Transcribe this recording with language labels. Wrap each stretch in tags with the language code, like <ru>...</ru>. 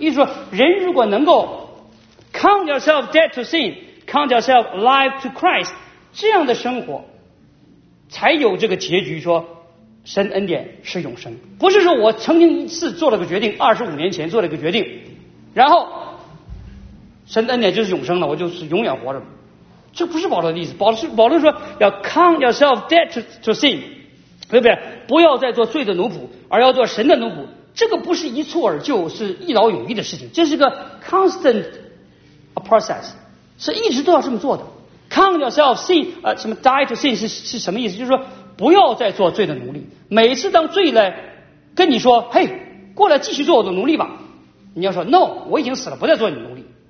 <zh>意思说人如果能够</zh> <en>count yourself dead to sin count yourself alive to Christ</en> <zh>这样的生活，才有这个结局说神恩典是永生。不是说我曾经一次做了个决定，25年前做了个决定，然后神恩典就是永生了，我就是永远活着。这不是保罗的意思。保罗说要</zh> <en>count yourself dead to sin，</en> <zh>对不对？不要再做罪的奴仆，而要做神的奴仆。这个不是一蹴而就，是一劳永逸的事情，这是个 constant process， 是一直都要这么做的。</zh> <en>count yourself sin</en> <zh>什么</zh> <en>die to sin</en> <zh>是什么意思？就是说不要再做罪的奴隶，每次当罪来跟你说嘿过来继续做我的奴隶吧，你要说 no 我已经死了，不再做你奴隶。</zh>